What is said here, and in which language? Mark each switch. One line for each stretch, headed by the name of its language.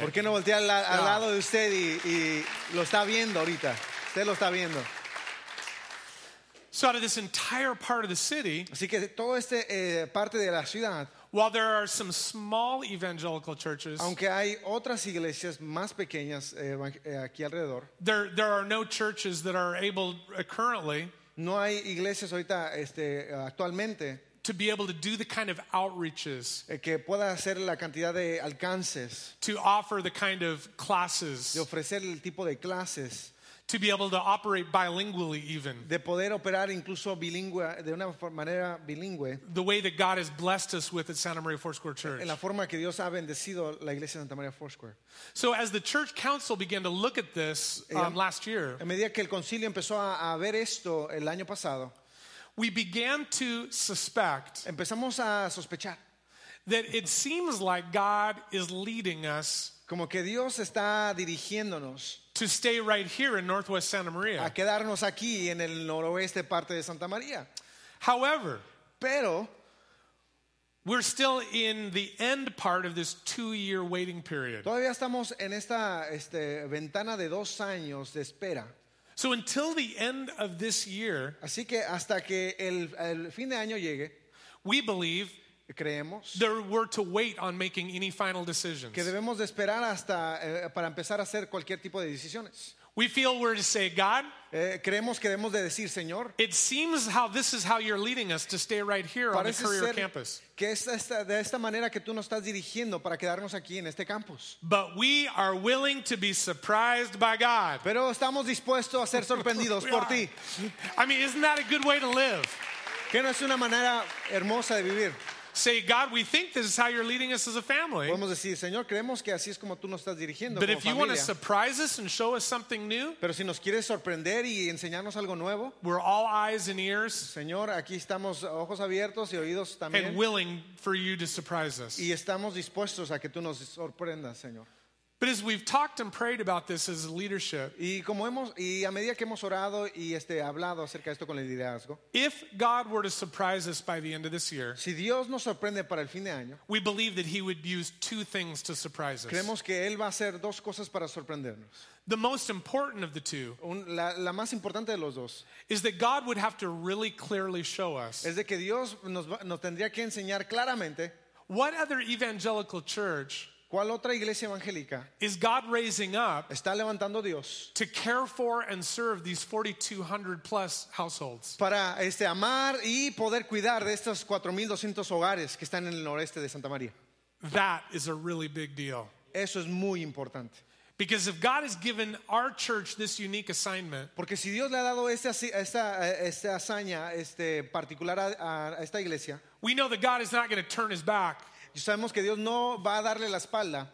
Spanish: ¿Por qué no voltea al lado de usted y lo está viendo ahorita? Usted lo está viendo.
English: So out of this entire part of the city,
Spanish: así que todo parte de la ciudad,
English: while there are some small evangelical churches,
Spanish: aunque hay otras iglesias más pequeñas aquí alrededor,
English: there are no churches that are able currently,
Spanish: no hay iglesias ahorita actualmente,
English: to be able to do the kind of outreaches,
Spanish: que pueda hacer la cantidad de alcances,
English: to offer the kind of classes,
Spanish: de ofrecer el tipo de clases,
English: to be able to operate bilingually even.
Spanish: De poder operar incluso bilingüe, de una manera bilingüe.
English: The way that God has blessed us with at Santa Maria Foursquare Church.
Spanish: En la forma que Dios ha bendecido la iglesia de Santa Maria Foursquare.
English: So as the church council began to look at this last year,
Spanish: a medida que el concilio empezó a ver esto el año pasado,
English: we began to suspect,
Spanish: empezamos a sospechar,
English: that it seems like God is leading us,
Spanish: como que Dios está dirigiéndonos,
English: to stay right here in Northwest Santa Maria.
Spanish: A quedarnos aquí en el noroeste parte de Santa María.
English: However,
Spanish: pero
English: we're still in the end part of this 2-year waiting period.
Spanish: Todavía estamos en esta ventana de 2 años de espera.
English: So until the end of this year,
Spanish: así que hasta que el fin de año llegue,
English: we believe,
Spanish: creemos,
English: that we're to wait on making any final decisions.
Spanish: Que debemos de esperar hasta para empezar a hacer cualquier tipo de decisiones.
English: We feel we're to say, God,
Spanish: creemos que debemos de decir, Señor,
English: it seems how this is how you're leading us to stay right here on the Courier campus.
Spanish: Que es de esta manera que tú nos estás dirigiendo para quedarnos aquí en este campus.
English: But we are willing to be surprised by God.
Spanish: Pero estamos dispuestos a ser sorprendidos por ti.
English: I mean, isn't that a good way to live?
Spanish: Que no es una manera hermosa de vivir.
English: Say, God, we think this is how you're leading us as a family.
Spanish: Podemos decir, Señor, creemos que así es como tú nos estás dirigiendo.
English: But if you want to surprise us and show us something new,
Spanish: pero si nos quieres sorprender y enseñarnos algo nuevo,
English: we're all eyes and ears.
Spanish: Señor, aquí estamos ojos abiertos y oídos también.
English: And willing for you to surprise us.
Spanish: Y estamos dispuestos a que tú nos sorprendas, Señor.
English: But as we've talked and prayed about this as leadership,
Spanish: y como hemos y a medida que hemos orado y hablado acerca de esto con el liderazgo,
English: if God were to surprise us by the end of this year,
Spanish: si Dios nos sorprende para el fin de año,
English: we believe that He would use 2 things to surprise us.
Spanish: Creemos que Él va a hacer 2 cosas para sorprendernos.
English: The most important of the two,
Spanish: la más importante de los dos,
English: is that God would have to really clearly show us.
Spanish: Es de que Dios nos tendría que enseñar claramente.
English: What other evangelical church?
Spanish: ¿Cuál otra iglesia evangélica?
English: Is God raising up?
Spanish: Está levantando Dios.
English: To care for and serve these 4,200 plus households.
Spanish: Para amar y poder cuidar de estos 4,200 hogares que están en el noreste de Santa María.
English: That is a really big deal.
Spanish: Eso es muy importante.
English: Because if God has given our church this unique assignment,
Spanish: porque si Dios le ha dado esta hazaña particular a esta iglesia,
English: we know that God is not going to turn His back.
Spanish: Y sabemos que Dios no va a darle la espalda